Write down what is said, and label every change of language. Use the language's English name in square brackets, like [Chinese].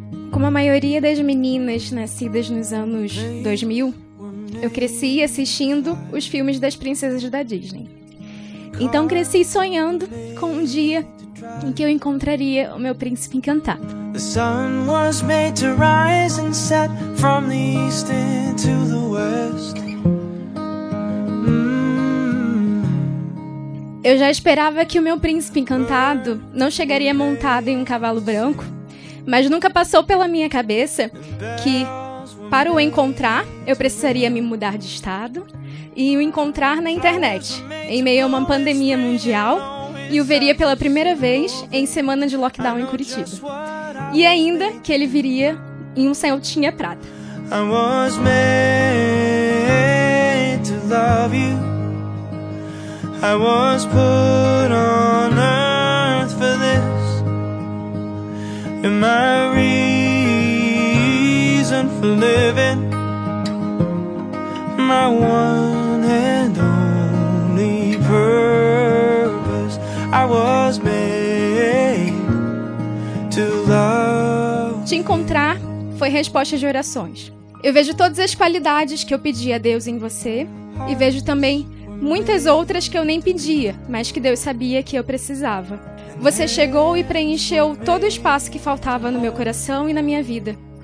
[Portuguese] Como a maioria das meninas nascidas nos anos 2000, eu cresci assistindo os filmes das princesas da Disney. Então cresci sonhando com um dia em que eu encontraria o meu príncipe encantado. [English] The sun was made to rise and set from the east into the west. [Portuguese] Eu já esperava que o meu príncipe encantado não chegaria montado em um cavalo branco, mas nunca passou pela minha cabeça que, para o encontrar, eu precisaria me mudar de estado e o encontrar na internet, em meio a uma pandemia mundial, e o veria pela primeira vez em semana de lockdown em Curitiba. E ainda que ele viria em um celtinha prata. [English] I was made to love you. I was put on earth for this. And my reason for living, my one and only purpose, I was made to love. [Portuguese] Te encontrar foi resposta de orações. Eu vejo todas as qualidades que eu pedi a Deus em você e vejo também muitas outras que eu nem pedia, mas que Deus sabia que eu precisava. Você chegou e preencheu todo o espaço que faltava no meu coração e na minha vida.